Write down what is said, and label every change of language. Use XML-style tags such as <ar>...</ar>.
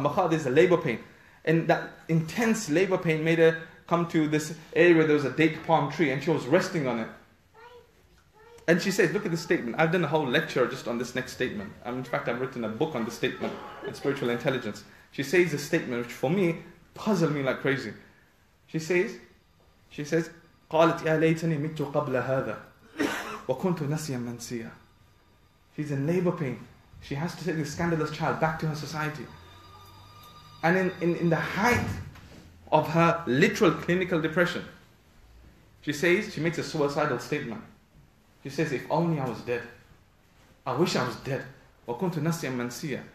<en>Makhad is a labor pain. And that intense labor pain made her come to this area where there was a date palm tree, and she was resting on it. And she says, look at this statement. I've done a whole lecture just on this next statement. In fact, I've written a book on this statement and spiritual intelligence. She says a statement which for me puzzled me like crazy. She says,</en> <ar>قَالَتْ يَا لَيْتَنِي مِتُّ قَبْلَ هَذَا وَكُنْتُ نَسِيًا مَنْسِيًا.</ar> <en>She's in labor pain. She has to take this scandalous child back to her society. And in the height of her literal clinical depression, she says, she makes a suicidal statement. She says, if only I was dead. I wish I was dead.</en> <ar>وَكُنْتُ نَسِيًا مَنْسِيًا.</ar>